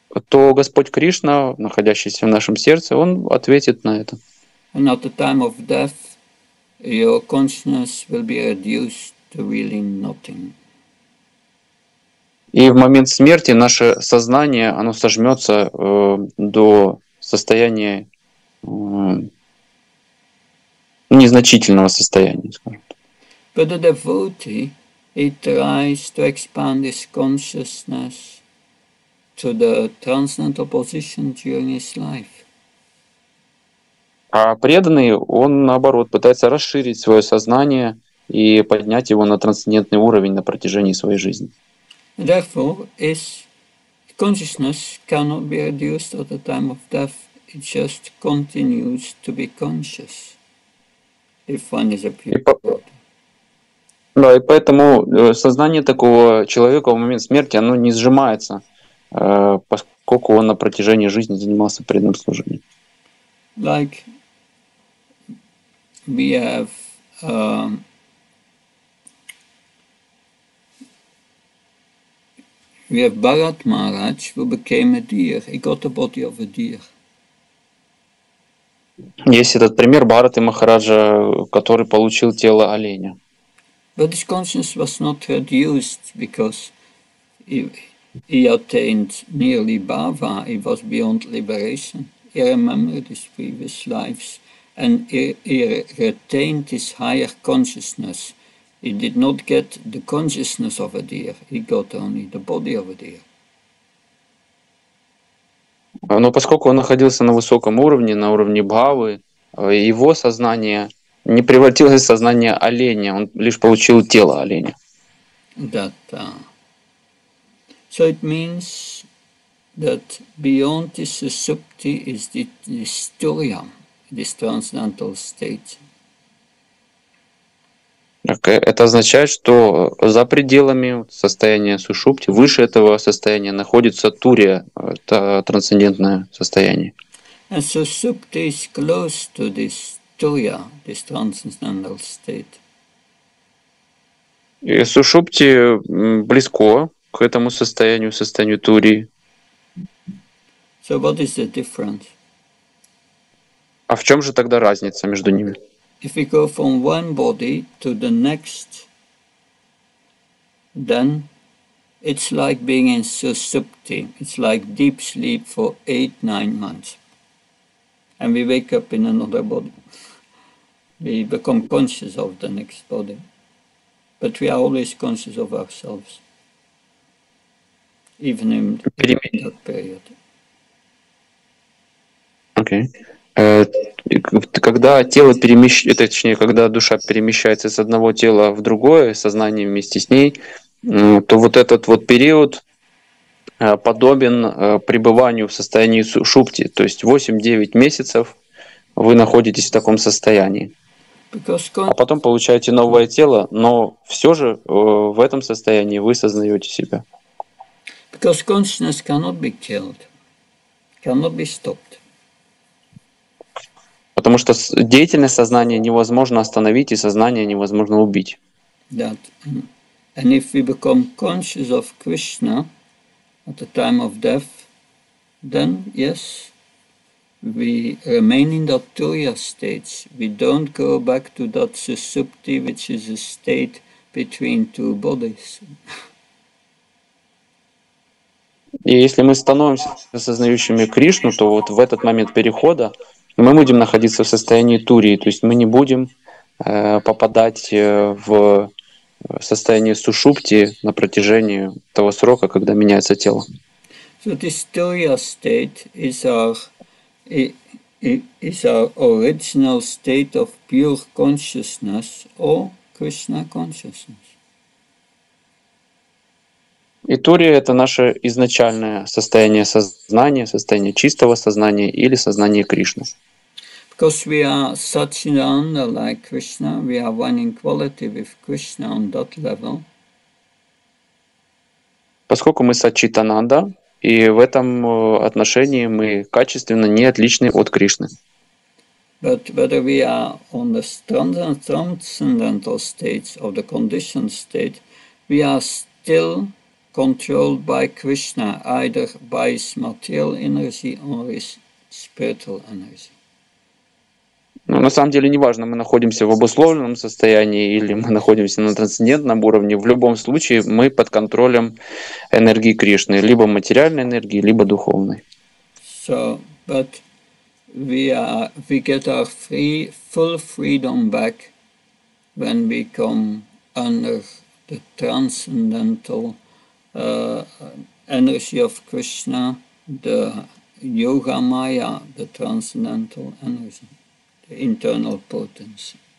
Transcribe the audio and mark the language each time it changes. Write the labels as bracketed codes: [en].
[ru] То Господь Кришна, находящийся в нашем сердце, Он ответит на это. [en] And at the time of death, your consciousness will be reduced to really nothing. [ru] И в момент смерти наше сознание, оно сожмется до состояния незначительного состояния, скажем так. [en] But the devotee, he tries to expand his consciousness to the transcendental position during his life. [ru] А преданный, он наоборот, пытается расширить свое сознание и поднять его на трансцендентный уровень на протяжении своей жизни. [en] Therefore, his consciousness cannot be reduced at the time of death. It just continues to be conscious if one is a pure devotee. [ru] Да, и поэтому сознание такого человека в момент смерти, оно не сжимается, поскольку он на протяжении жизни занимался преданным служением. [en] Like we have Bharat Maharaj, who became a deer. He got the body of a deer. [ru] Есть этот пример Бхараты Махараджа, который получил тело оленя. [en] But his consciousness was not reduced because he attained nearly bhava. He was beyond liberation. He remembered his previous lives and he retained his higher consciousness. He did not get the consciousness of a deer. He got only the body of a deer. [ru] Но поскольку он находился на высоком уровне, на уровне бхавы, его сознание не превратилось в сознание оленя. Он лишь получил тело оленя. [en] That, so it means that beyond this susupti is the sturiam, this transcendental state. Okay. [ru] Это означает, что за пределами состояния сушупти, выше этого состояния, находится турия, это трансцендентное состояние. [en] And susupti is close to this turiya, this transcendental state. [ru] И сушупти близко к этому состоянию, состоянию турии. [en] So what is the difference? [ru] А в чем же тогда разница между ними? [en] If we go from one body to the next, then it's like being in susupti. It's like deep sleep for 8-9 months. And we wake up in another body. We become conscious of the next body. But we are always conscious of ourselves, even in that period. Okay. [ru] Когда тело перемещается, точнее, когда душа перемещается с одного тела в другое, сознание вместе с ней, то вот этот вот период подобен пребыванию в состоянии сушупти, то есть 8-9 месяцев вы находитесь в таком состоянии. А потом получаете новое тело, но все же в этом состоянии вы сознаете себя. [en] Because consciousness cannot be killed, cannot be stopped. [ru] Потому что деятельность сознания невозможно остановить, и сознание невозможно убить. [en] That, and if we become conscious of Krishna at the time of death, then yes, we remain in that Turiya state. We don't go back to that susupti, which is a state between two bodies. [ru] И если мы становимся осознающими Кришну, то вот в этот момент перехода мы будем находиться в состоянии Турии, то есть мы не будем попадать в состояние сушупти на протяжении того срока, когда меняется тело. [en] So this Turiya state is our original state of pure consciousness or Krishna consciousness. [ru] И Турия — это наше изначальное состояние сознания, состояние чистого сознания или сознание Кришны. [en] Because we are Satchidananda like Krishna, we are one in quality with Krishna on that level. [ru] Поскольку мы Сатчитананда, и в этом отношении мы качественно не отличны от Кришны. [en] But whether we are on the transcendental states or the conditioned state, we are still controlled by Krishna, either by his material energy or his spiritual energy. [ru] Ну, на самом деле, неважно, мы находимся в обусловленном состоянии или мы находимся на трансцендентном уровне, в любом случае мы под контролем энергии Кришны, либо материальной энергии, либо духовной. [en] So, but we get our full freedom back when we come under the transcendental energy of Krishna, the yoga maya, the transcendental energy, the internal potency.